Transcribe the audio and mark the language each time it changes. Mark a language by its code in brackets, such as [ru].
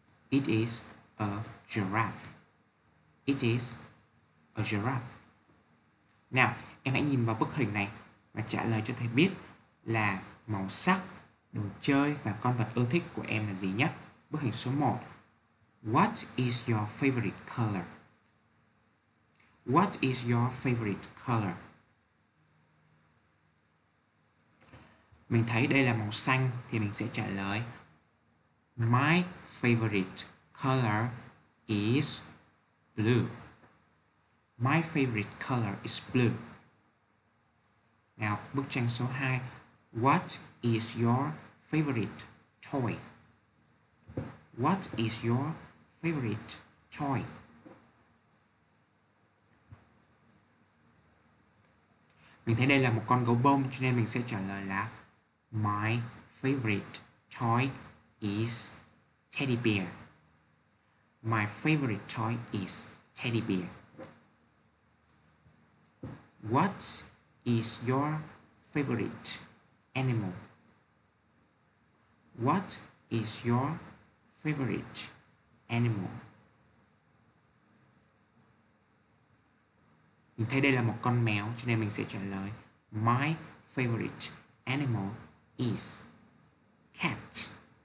[en] It is a giraffe. It is a giraffe. [vi] Now, em hãy nhìn vào bức hình này và trả lời cho thầy biết là màu sắc, đồ chơi và con vật ưa thích của em là gì nhé. Bức hình số 1. [en] What is your favorite color? What is your favorite color? [vi] Mình thấy đây là màu xanh thì mình sẽ trả lời My favorite color is blue. [en] My favorite color is blue. Now, bức tranh số 2. What is your favorite toy? What is your favorite toy? [vi] Mình thấy đây là một con gấu bông cho nên mình sẽ trả lời là My favorite toy is teddy bear. [en] My favorite toy is teddy bear. What is your favorite animal? What is your favorite animal? [vi] Mình thấy đây là một con mèo, cho nên mình sẽ trả lời my favorite animal is cat.